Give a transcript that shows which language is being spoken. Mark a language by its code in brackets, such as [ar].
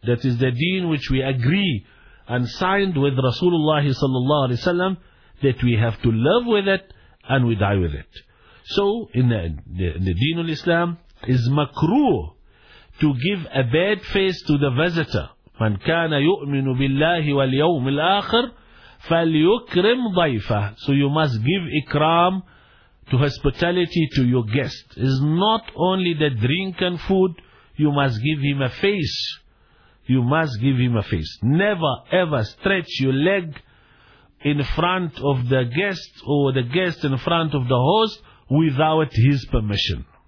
[en] That is the deen which we agree and signed with Rasulullah sallallahu alaihi wasallam, that we have to live with it and we die with it. So, in the deen of Islam, is makruh to give a bad face to the visitor. [ar] من كان يؤمن بالله واليوم الآخر فليكرم ضيفه. [en] So you must give ikram to hospitality to your guest. It's not only the drink and food, you must give him a face. You must give him a face. Never ever stretch your leg in front of the guest or the guest in front of the host without his permission.